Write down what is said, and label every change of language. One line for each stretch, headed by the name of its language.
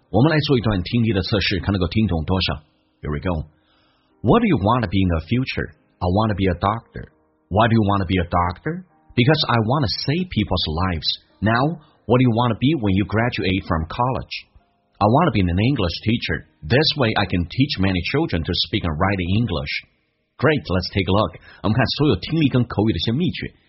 Chinese: 我们来做一段听力的测试，看能够听懂多少。
English: Here we go. What do you want to be in the future? I want to be a doctor. Why do you want to be a doctor? Because I want to save people's lives. Now, what do you want to be when you graduate from college? I want to be an English teacher. This way, I can teach many children to speak and write English. Great, let's take a look.
Chinese: 我们看所有听力跟口语的一些秘诀。